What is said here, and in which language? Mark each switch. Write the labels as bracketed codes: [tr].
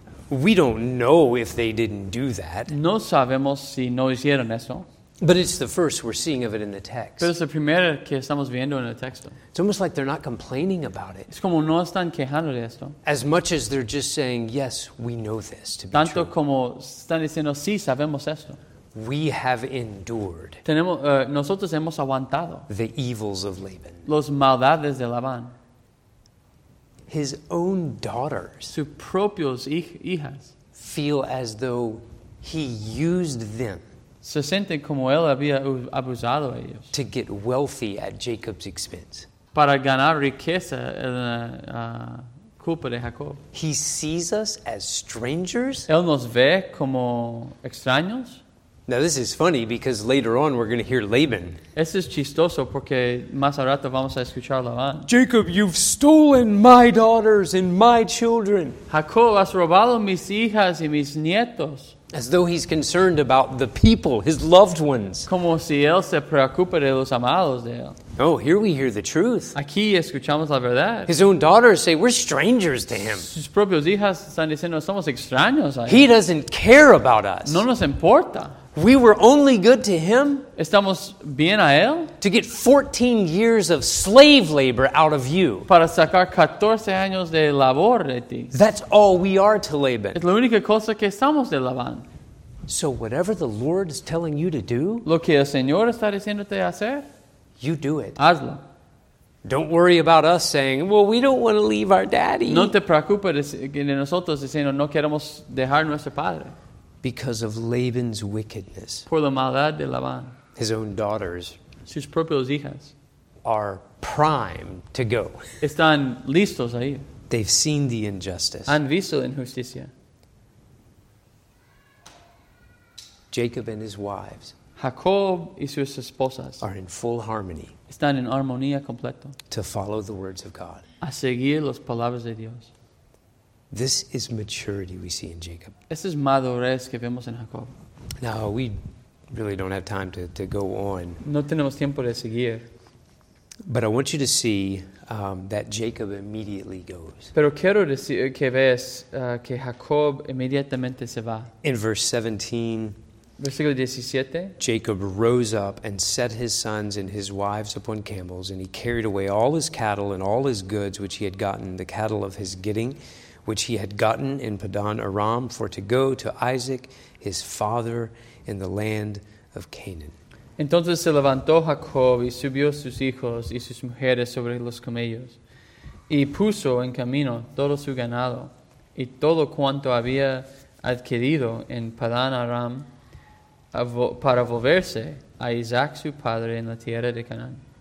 [en] We don't know if they didn't do that. [es] No sabemos si no hicieron eso. [en] But it's the first we're seeing of it in the text. [es] Pero es la primera que estamos viendo en el texto. [en] It's almost like they're not complaining about it. [es] Es como no están quejando de esto. [en] As much as they're just saying, yes, we know this to be [es] Tanto Tanto como están diciendo, sí, sabemos esto. [en] We have endured. [es] Tenemos, nosotros hemos aguantado. [en] The evils of Laban. [es] Los maldades de Laban. [en] His own daughters. [es] Sus propios hijas. [en] Feel as though he used them. [es] Se siente como él había abusado a ellos. [en] To get wealthy at Jacob's expense. [es] Para ganar riqueza en la culpa de Jacob. [en] He sees us as strangers. [es] Él nos ve como extraños. [en] Now this is funny because later on we're going to hear Laban. [es] Esto es chistoso porque más a rato vamos a escuchar a Laban. [en] Jacob, you've stolen my daughters and my children. [es] Jacob, has robado mis hijas y mis nietos. [en] As though he's concerned about the people, his loved ones. [es] Como si él se preocupa de los amados de él. [en] Oh, here we hear the truth. [es] Aquí escuchamos la verdad. [en] His own daughters say, we're strangers to him. [es] Sus propias hijas están diciendo, somos extraños a él. [en] He doesn't care about us. [es] No nos importa. [en] We were only good to him. [es] Estamos bien a él. [en] To get 14 years of slave labor out of you. [es] Para sacar 14 años de labor de ti. [en] That's all we are to Laban. [es] Es la única cosa que somos de Laban. [en] So whatever the Lord is telling you to do. [es] Lo que el Señor está diciéndote hacer. [en] You do it. [es] Hazlo. [en] Don't worry about us saying, well, we don't want to leave our daddy. [es] No te preocupes de nosotros diciendo, no queremos dejar nuestro padre. [en] Because of Laban's wickedness. [es] Por la maldad de Laban. [en] His own daughters. [es] Sus propias hijas. [en] Are primed to go. [es] Están listos ahí. [en] They've seen the injustice. [es] Han visto la injusticia. [en] Jacob and his wives, [es] Jacob y sus esposas, [en] are in full harmony. [es] Están en armonía completo. [en] To follow the words of God. [es] A seguir las palabras de Dios. [en] This is maturity we see in Jacob. [es] Esta es madurez que vemos en Jacob. [en] Now we really don't have time to go on. [es] No tenemos tiempo de seguir. [en] But I want you to see that Jacob immediately goes. [es] Pero quiero decir que ves que Jacob inmediatamente se va. [en] In verse 17. [es] Versículo 17. [en] Jacob rose up and set his sons and his wives upon camels, and he carried away all his cattle and all his goods which he had gotten, the cattle of his getting, which he had gotten in Padan Aram, for to go to Isaac, his father, in the land of Canaan. [es] Entonces se levantó Jacob y subió sus hijos y sus mujeres sobre los camellos, y puso en camino todo su ganado y todo cuanto había adquirido en Padan Aram, para volverse a Isaac su padre en la tierra de Canaán.